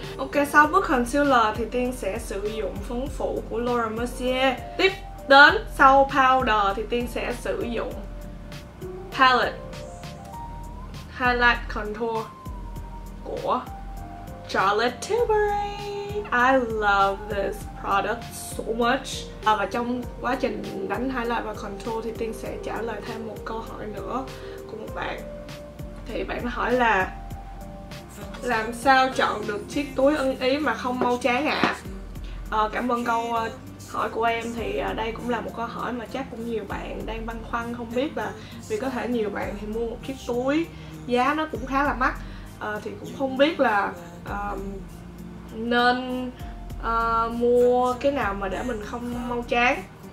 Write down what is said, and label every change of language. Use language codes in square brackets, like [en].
[vi] Ok, sau bước concealer thì Tiên sẽ sử dụng phấn phủ của Laura Mercier. Tiếp đến sau powder thì Tiên sẽ sử dụng palette highlight contour của Charlotte Tilbury. [en] I love this product so much. [vi] Và trong quá trình đánh highlight và contour thì Tiên sẽ trả lời thêm một câu hỏi nữa của một bạn. Thì bạn hỏi là làm sao chọn được chiếc túi ưng ý mà không mau chán ạ? Cảm ơn câu hỏi của em. Thì đây cũng là một câu hỏi mà chắc cũng nhiều bạn đang băn khoăn, không biết là vì có thể nhiều bạn thì mua một chiếc túi giá nó cũng khá là mắc, thì cũng không biết là nên mua cái nào mà để mình không mau chán.